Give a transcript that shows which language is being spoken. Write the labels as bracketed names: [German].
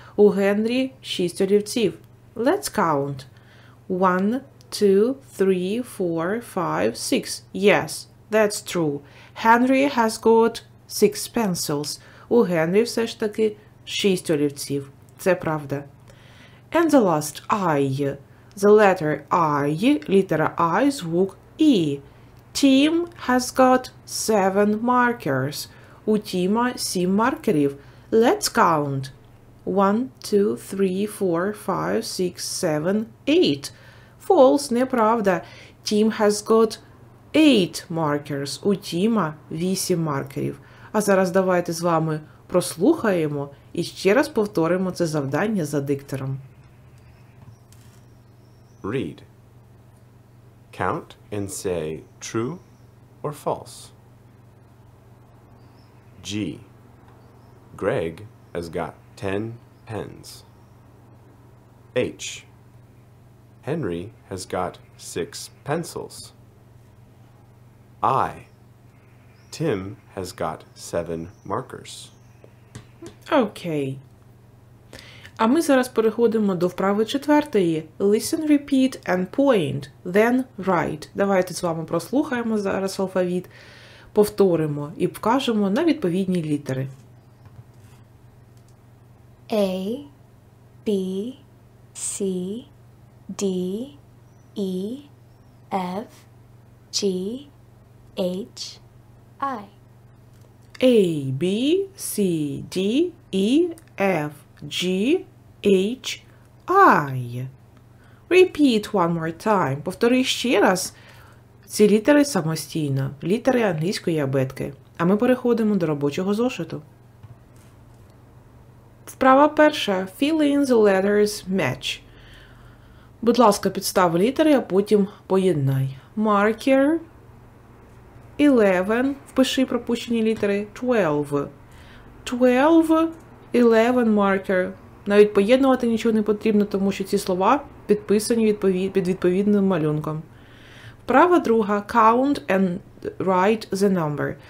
[Ukrainian] У Генрі 6 олівців. [English] Let's count. 1, 2, 3, 4, 5, 6. Yes, that's true. Henry has got 6 pencils. [Ukrainian] У Генрі все ж таки 6 олівців. Це правда. [English] And the last, I. The letter I, [Ukrainian] літера I, звук E. [English] Tim has got 7 markers. [Ukrainian] У Тіма 7 маркерів. [English] Let's count. 1, 2, 3, 4, 5, 6, 7, 8. False, [Ukrainian] неправда. [English] Тім has got 8 markers. [Ukrainian] У Тіма 8 маркерів. А зараз давайте з вами прослухаємо і ще раз повторимо це завдання за диктором. [English] Read. Count and say true or false. G. Greg has got 10 pens. H. Henry has got 6 pencils. I. Tim has got 7 markers. [Ukrainian] Окей. А ми зараз переходимо до вправи четвертої. [English] Listen, repeat and point, then write. [Ukrainian] Давайте з вами прослухаємо зараз алфавіт, повторимо і вкажемо на відповідні літери. [English] A, B, C, D, E, F, G, H, I. A, B, C, D, E, F, G, H, I. Repeat one more time. [Ukrainian] Повтори ще раз ці літери самостійно. Літери англійської абетки. А ми переходимо до робочого зошиту. Вправа перша. [English] Fill in the letters match. [Ukrainian] Будь ласка, підстав літери, а потім поєднай. [English] Marker. 11. [Ukrainian] Впиши пропущені літери. [English] 12, 11 marker. [Ukrainian] Навіть поєднувати нічого не потрібно, тому що ці слова підписані під відповідним малюнком. Вправа друга. [English] Count and write the number.